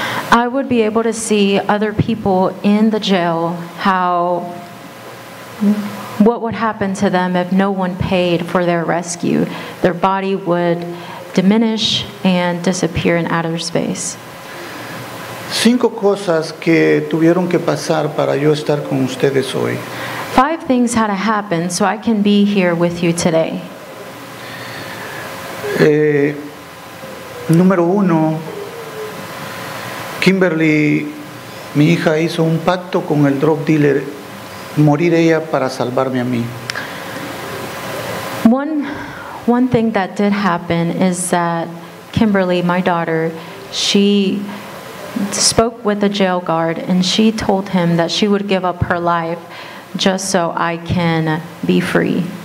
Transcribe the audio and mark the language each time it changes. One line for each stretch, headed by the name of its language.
English: I would be able to see other people in the jail, how, what would happen to them if no one paid for their rescue. Their body would diminish and disappear in outer space.
Spanish: Cinco cosas que tuvieron que pasar para yo estar con ustedes hoy.
English: Five things had to happen so I can be here with you today.
Spanish: Número uno, Kimberly, mi hija, hizo un pacto con el drug dealer, morir ella para salvarme a mí.
English: One thing that did happen is that Kimberly, my daughter, she spoke with a jail guard and she told him that she would give up her life just so I can be free.